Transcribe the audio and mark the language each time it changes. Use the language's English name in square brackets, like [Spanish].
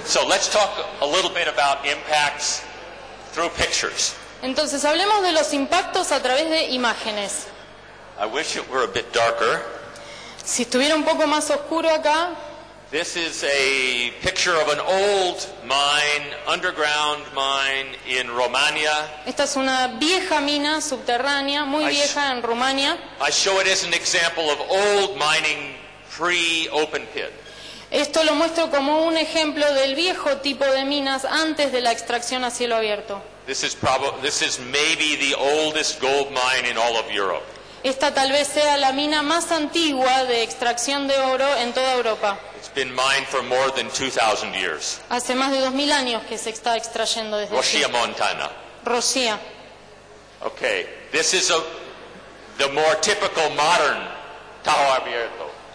[English] So let's talk a little bit about impacts. Through pictures. [Spanish] Entonces hablemos de los impactos a través de imágenes. [English] I wish it were a bit darker. [Spanish] Si estuviera un poco más oscuro acá. [English] This is a picture of an old mine, underground mine in Romania. [Spanish] Esta es una vieja mina subterránea, muy vieja en Rumania. [English] I show it as an example of old mining pre-open pit. [Spanish] Esto lo muestro como un ejemplo del viejo tipo de minas antes de la extracción a cielo abierto. [English] This is maybe the oldest gold mine in all of Europe. [Spanish] Esta tal vez sea la mina más antigua de extracción de oro en toda Europa. [English] It's been mined for more than 2,000 years. [Spanish] Hace más de 2,000 años que se está extrayendo desde Rocia, aquí. Montana. Rocia. [English] Okay, this is the more typical modern Tajo Abierto.